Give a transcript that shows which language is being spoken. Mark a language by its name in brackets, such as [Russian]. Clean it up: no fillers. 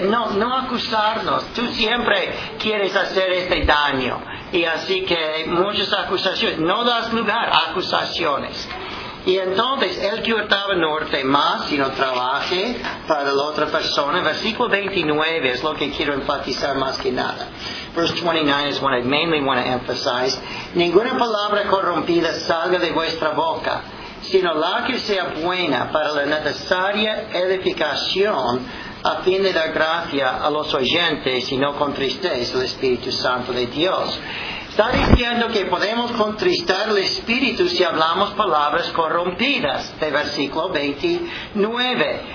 [Spanish] No acusarnos. Tú siempre quieres hacer este daño. Y así que muchas acusaciones. No das lugar a acusaciones. Y entonces, el que hurtaba no hurte más, sino trabaje para la otra persona. Versículo 29 es lo que quiero enfatizar más que nada. [English] Verse 29 is what I mainly want to emphasize. [Spanish] Ninguna palabra corrompida salga de vuestra boca, sino la que sea buena para la necesaria edificación, a fin de dar gracia a los oyentes, y no contristéis el Espíritu Santo de Dios. Está diciendo que podemos contristar el Espíritu si hablamos palabras corrompidas, de versículo 29.